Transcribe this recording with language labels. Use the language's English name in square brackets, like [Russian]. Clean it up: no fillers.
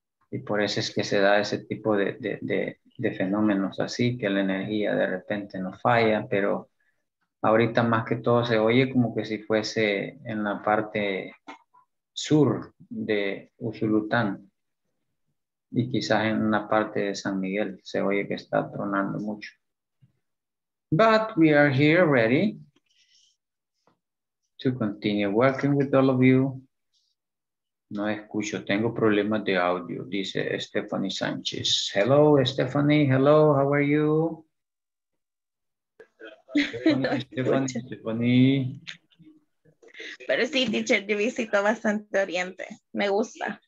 [Spanish] Y por eso es que se da ese tipo de fenómenos así, que la energía de repente no falla, pero ahorita más que todo se oye como que si fuese en la parte sur de Usulután y quizás en una parte de San Miguel se oye que está tronando mucho. [English] But we are here ready to continue working with all of you. [Spanish] No escucho, tengo problemas de audio, dice Stephanie Sánchez. [English] Hello, Stephanie. Hello, how are you? Stephanie. [Spanish] Pero sí, teacher, yo visito bastante Oriente. Me gusta.